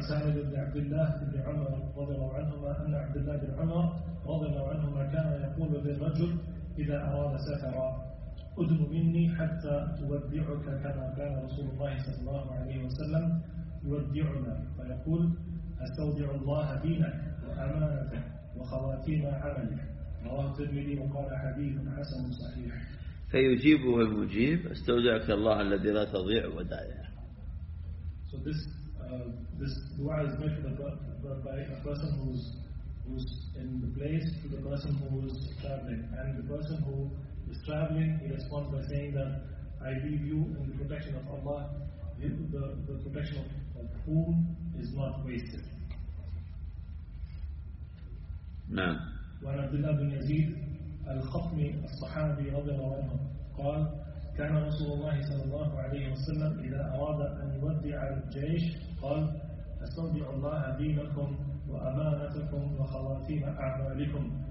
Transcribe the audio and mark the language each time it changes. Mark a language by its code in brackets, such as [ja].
[ar] سالم بن عبد الله بن عمر رضي الله عنهما أن عبد الله بن عمر رضي الله عنهما كان يقول للرجل إذا أراد سفرا أذن مني حتى تودعك كما كان رسول الله صلى الله عليه وسلم يودعنا فيقول أستودع الله دينك وأمانتك وخواتيم عملك. رواه الترمذي وقال حديث حسن صحيح. فيجيبه المجيب أستودعك الله الذي لا تضيع ودائع. [en] So this dua is made by a person who's in the place to the person who is traveling, and the person who is traveling he responds by saying that I leave you in the protection of Allah, the protection of whom is not wasted. [ar] نعم. وعن عبد الله بن يزيد الخطمي الصحابي رضي الله عنه قال كان رسول الله صلى الله عليه وسلم إذا أراد أن يودع الجيش قال أستودع الله دينكم وأمانتكم وخواتيم أعمالكم.